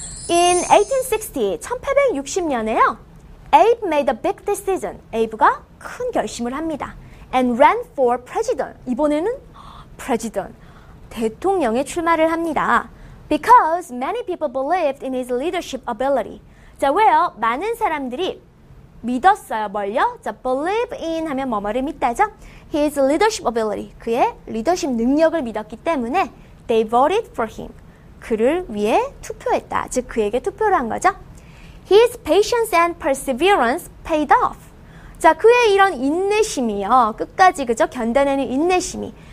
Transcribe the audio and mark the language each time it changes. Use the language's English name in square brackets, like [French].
[English] In 1860, [Korean] 1860년에요. [English] Abe made a big decision. [Korean] Abe가 큰 결심을 합니다. [English] And ran for president. [Korean] 이번에는 president. 대통령에 출마를 합니다. [English] Because many people believed in his leadership ability. [Korean] 자, 왜요? 많은 사람들이 믿었어요. 뭘요? 자, believe in 하면 뭐뭐를 믿다죠? [English] His leadership ability. [Korean] 그의 리더십 능력을 믿었기 때문에 [English] they voted for him. [Korean] 그를 위해 투표했다. 즉, 그에게 투표를 한 거죠. [English] His patience and perseverance paid off. [Korean] 자, 그의 이런 인내심이요. 끝까지, 그죠? 견뎌내는 인내심이